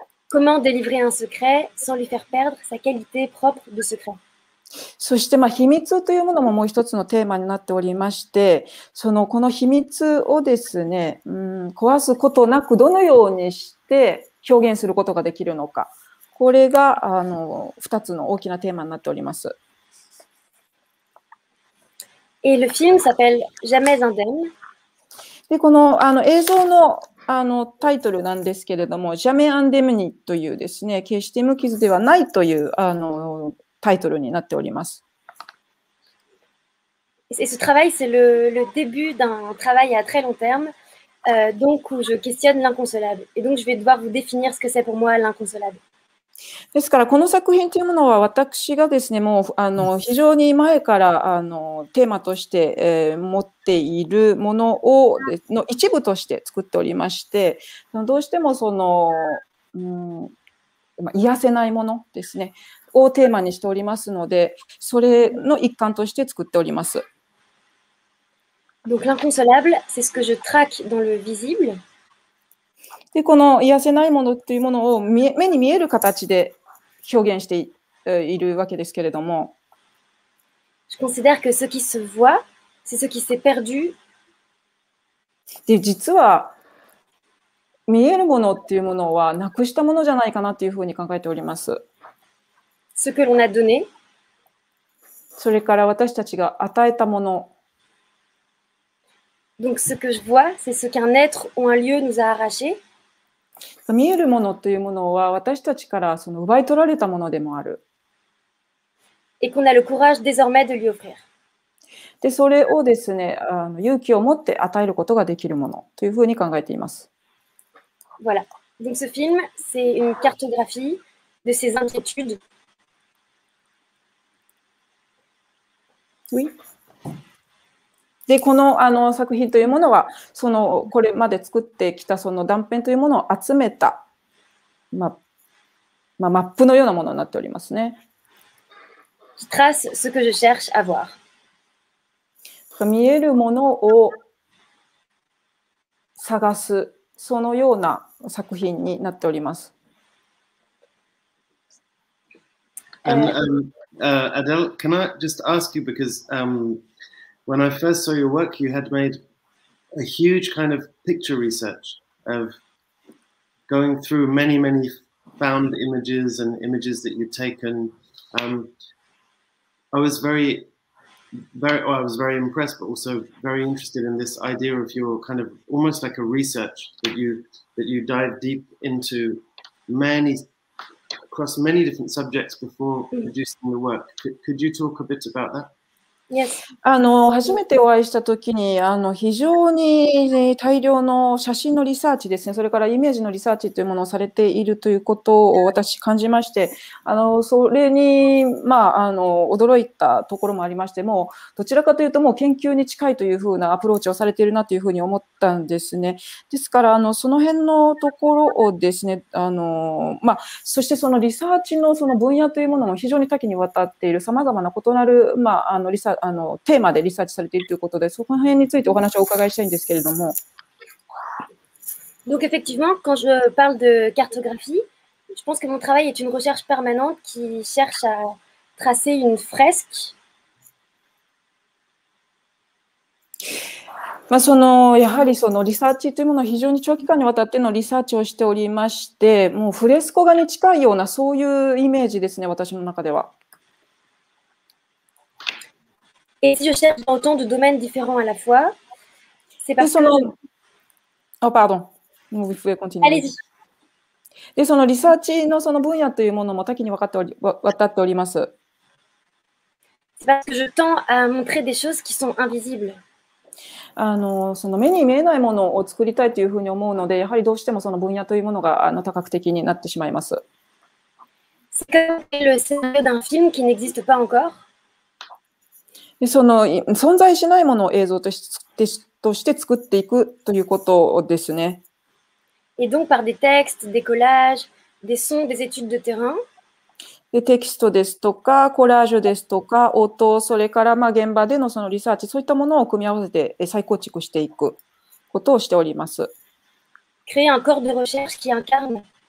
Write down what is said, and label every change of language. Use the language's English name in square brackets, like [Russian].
[French] Comment délivrer un secret sans lui faire perdre sa qualité propre de secret? [Japanese] そして、まあ、秘密というものももう一つのテーマになっておりまして、この秘密をですね、壊すことなくどのようにして表現することができるのか。これが二つの大きなテーマになっております。 [French] Et le film s'appelle Jamais indemne. [Japanese] で、この、映像の、タイトルなんですけれども、Jamais indemne というですね、決して無傷ではないというタイトルになっております。 [French] Et ce travail, c'est le début d'un travail à très long terme, donc où je questionne l'inconsolable. Et donc, je vais devoir vous définir ce que c'est pour moi l'inconsolable. [Japanese] ですからこの作品というものは私がですねもう非常に前からテーマとして持っているものをの一部として作っておりましてどうしても癒せないものですねをテーマにしておりますのでそれの一環として作っております。 [French] Donc l'inconsolable, c'est ce que je traque dans le visible. [Japanese] でこの癒せないものというものを目に見える形で表現しているわけですけれども。 [French] Je considère que ce qui se voit, c'est ce qui s'est perdu. [Japanese] で実は見えるものというものはなくしたものじゃないかなというふうに考えております。 [French] Ce que l'on a donné. [Japanese] それから私たちが与えたもの。 [French] Donc ce que je vois, c'est ce qu'un être ou un lieu nous a arraché. [Japanese] 見えるものというものは私たちからその奪い取られたものでもある。 [French] Et qu'on a le courage désormais de lui offrir. [Japanese] で、それをですね、勇気を持って与えることができるものというふうに考えています。 [French] Voilà. Donc ce film, c'est une cartographie de ses inquiétudes. Oui. [Japanese] で、この、作品というものは、これまで作ってきたその断片というものを集めた、まあ、マップのようなものになっておりますね。 [French] Je trace ce que je cherche à voir. [Japanese] 見えるものを探す、そのような作品になっております。 [English] Adele, can I just ask you because, When I first saw your work, you had made a huge kind of picture research of going through many, many found images and images that you'd taken. I was very impressed, but also very interested in this idea of your kind of almost like a research that you dive deep into across many different subjects before producing the work. Could you talk a bit about that? Yes. [Japanese] 初めてお会いしたときに、非常に大量の写真のリサーチですね、それからイメージのリサーチというものをされているということを私感じまして、それに、驚いたところもありまして、もう、どちらかというともう研究に近いというふうなアプローチをされているなというふうに思ったんですね。ですから、その辺のところをですね、そしてそのリサーチのその分野というものも非常に多岐にわたっている、様々な異なる、テーマでリサーチされているということで、その辺についてお話をお伺いしたいんですけれども。 [French] Donc effectivement, quand je parle de cartographie, je pense que mon travail est une recherche permanente qui cherche à tracer une fresque. [Japanese] やはりそのリサーチというものを非常に長期間にわたってのリサーチをしておりまして、もうフレスコ画に近いようなそういうイメージですね、私の中では。 [French] Et si je cherche dans autant de domaines différents à la fois, c'est parce que... Oh, pardon. Vous pouvez continuer. Allez-y. [Japanese] で、そのリサーチのその分野というものも多岐にわたっております。 [French] C'est parce que je tends à montrer des choses qui sont invisibles. [Japanese] その目に見えないものを作りたいというふうに思うので、やはりどうしてもその分野というものが多角的になってしまいます。 [French] C'est comme le scénario d'un film qui n'existe pas encore. [Japanese] その存在しないものを映像として作っていくということですね。 [French] Et donc par des textes, des collages, des sons, des études de terrain. [Japanese] でテキストですとかコラージュですとか音、それからまあ現場でのそのリサーチ、そういったものを組み合わせて再構築していくことをしております。 [French] Créer un corps de recherche qui incarne.